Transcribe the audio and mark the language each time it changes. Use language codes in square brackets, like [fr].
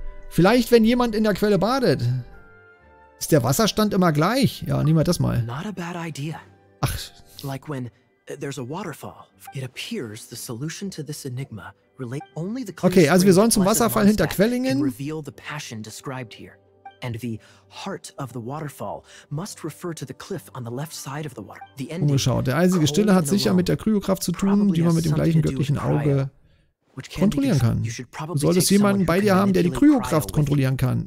[de] Vielleicht, wenn jemand in der Quelle badet. Ist der Wasserstand immer gleich? Ja, nehmen wir das mal. [en] Not a bad idea. [de] Ach. [en] Like when there's a waterfall. It appears the solution to this enigma. [de] Okay, also wir sollen zum Wasserfall hinter Quellingen. [en] Reveal the passion described here. And the heart of the waterfall must refer to the cliff on the left side of the water. The ending. [de] Umgeschaut. Der eisige Stille hat sicher mit der Kryokraft zu tun, die man mit dem gleichen göttlichen Auge kontrollieren kann. Solltest du jemanden bei dir haben, der die Kryokraft kontrollieren kann?